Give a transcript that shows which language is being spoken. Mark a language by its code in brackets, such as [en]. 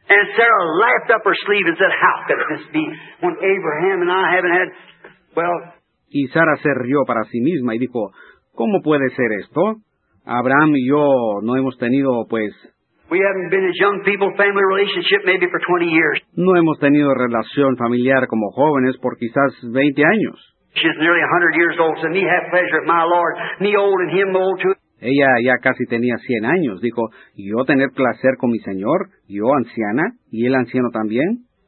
[en] And Sarah laughed up her sleeve and said, how could this be when Abraham and I haven't had, well... [es] Y Sara se rió para sí misma y dijo, ¿cómo puede ser esto? Abraham y yo no hemos tenido, pues... [en] We haven't been as young people, family relationship maybe for 20 years. [es] No hemos tenido relación familiar como jóvenes por quizás 20 años. [en] She's nearly 100 years old, so me have pleasure of my Lord, me old and him old too. [es] Ella ya casi tenía 100 años. Dijo, ¿yo tener placer con mi Señor? ¿Yo anciana? ¿Y él anciano también?